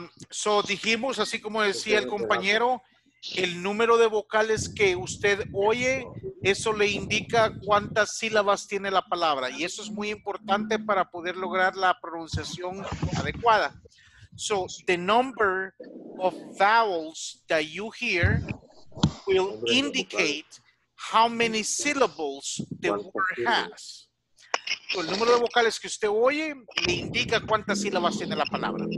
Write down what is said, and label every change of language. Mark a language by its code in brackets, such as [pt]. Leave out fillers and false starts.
[es] So dijimos, así como decía el compañero, el número de vocales que usted oye, eso le indica cuántas sílabas tiene la palabra. Y eso es muy importante para poder lograr la pronunciación adecuada. [en] So, the number of vowels that you hear will indicate how many syllables the word has. [es] So, el número de vocales que usted oye le indica cuántas sílabas tiene la palabra.